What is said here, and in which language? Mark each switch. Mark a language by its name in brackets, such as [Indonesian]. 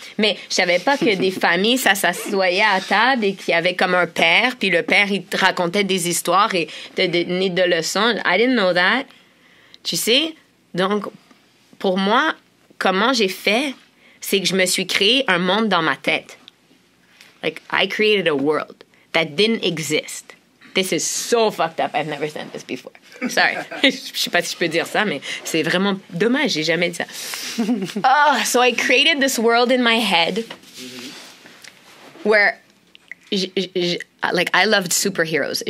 [French] Mais je savais pas que des familles, ça s'assoyait à table et qu'il y avait comme un père, puis le père, il te racontait des histoires et te donnait de leçons. [English] I didn't know that. [French] Tu sais? Donc, pour moi, comment j'ai fait, c'est que je me suis créé un monde dans ma tête. [English] Like, I created a world that didn't exist. This is so fucked up. I've never said this before. Sorry. [French] Je sais pas si je peux dire ça, mais c'est vraiment dommage. J'ai jamais dit ça. [English] Oh, so I created this world in my head where, like, I loved superheroes.